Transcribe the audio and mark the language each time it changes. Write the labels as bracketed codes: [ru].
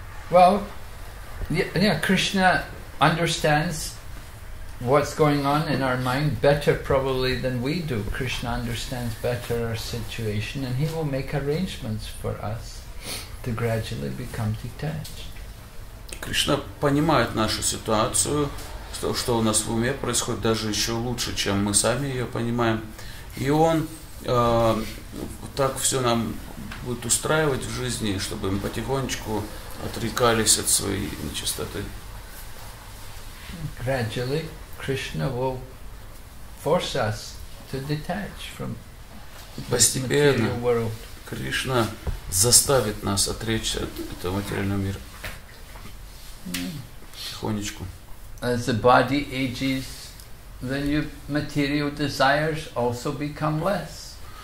[en] Well, yeah, Krishna understands what's going on in our mind better probably than we do. Krishna understands better our situation and he will make arrangements for us to gradually become detached. [ru] Krishna понимает нашу ситуацию, то, что у нас в уме происходит, даже еще лучше, чем мы сами ее понимаем. И он так все нам будет устраивать в жизни, чтобы мы потихонечку отрекались от своей нечистоты. [en] Gradually Krishna will force us to detach from this material world. [ru] Krishna заставит нас отречься от этого материального мира. Тихонечку. [en] As the body ages, then your material desires also become less.